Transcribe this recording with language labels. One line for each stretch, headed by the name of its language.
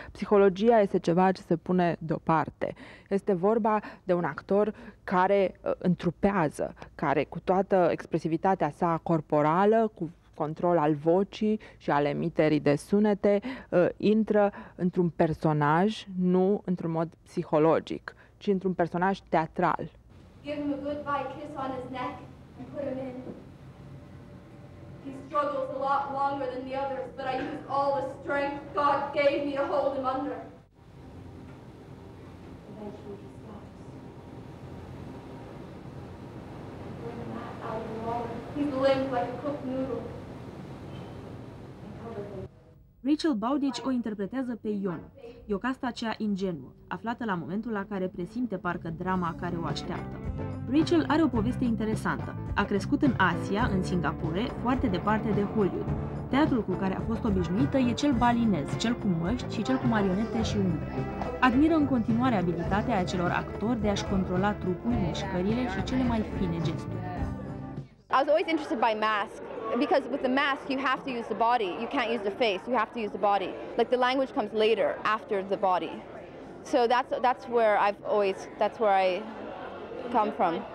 Romanian: Psihologia este ceva ce se pune deoparte. Este vorba de un actor care întrupează, care cu toată expresivitatea sa corporală, cu control al vocii și al emiterii de sunete, intră într-un personaj, nu într-un mod psihologic, ci într-un personaj teatral.
English: Give him a goodbye kiss on his neck and put him in. He struggles a lot longer than the others, but I used all the strength God gave me to hold him under. Eventually he stops. When he's limp like a cooked noodle.
Romanian: Rachel Bowditch o interpretează pe Ion, iocasta cea ingenuă, aflată la momentul la care presimte parcă drama care o așteaptă. Rachel are o poveste interesantă. A crescut în Asia, în Singapore, foarte departe de Hollywood. Teatrul cu care a fost obișnuită e cel balinez, cel cu măști și cel cu marionete și umbre. Admiră în continuare abilitatea acelor actori de a-și controla trupul, mișcările și cele mai fine gesturi.
English: I was always interested by masks, because with the mask you have to use the body, you can't use the face, you have to use the body. Like the language comes later, after the body. So that's where I come from.